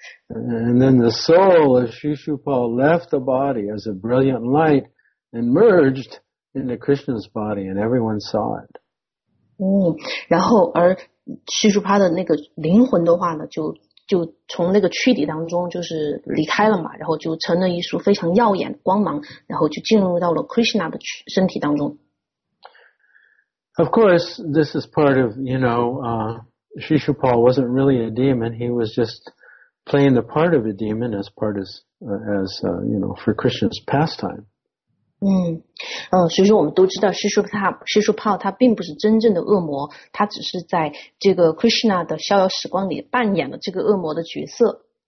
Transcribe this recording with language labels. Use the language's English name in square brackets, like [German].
[English] And then the soul of Shishupal left the body as a brilliant light and merged into Krishna's body and everyone saw it. [Chinese] 然后而叙述他的那个灵魂的话呢就从那个躯体当中就是离开了嘛然后就成了一束非常耀眼的光芒然后就进入到了 Krishna 的身体当中。 [English] Of course, this is part of, you know, Shishupal wasn't really a demon, he was just playing the part of a demon as part of, as, you know, for Krishna's pastime. [Chinese] 所以说我们都知道施术炮他并不是真正的恶魔，他只是在这个 Krishna 的逍遥时光里扮演了这个恶魔的角色。